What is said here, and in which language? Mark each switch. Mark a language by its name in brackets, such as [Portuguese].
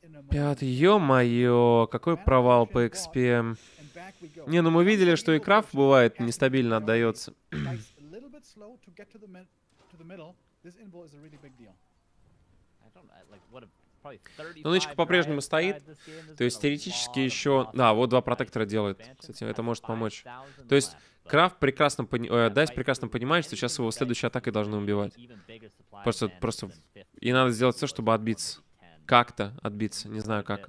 [Russian] Пятый, ё-моё, какой провал по XP. Не, ну мы видели, что и крафт бывает нестабильно отдается. [English] Слоу, to get to the middle, this invul is a really big deal. I don't like what a [Russian] Нынечка по-прежнему стоит. То есть теоретически еще... Да, вот два протектора делает. Кстати, это может помочь. То есть Крафт прекрасно... Дайс прекрасно понимает, что сейчас его следующей атакой должны убивать. Просто... И надо сделать все, чтобы отбиться. Как-то отбиться. Не знаю как.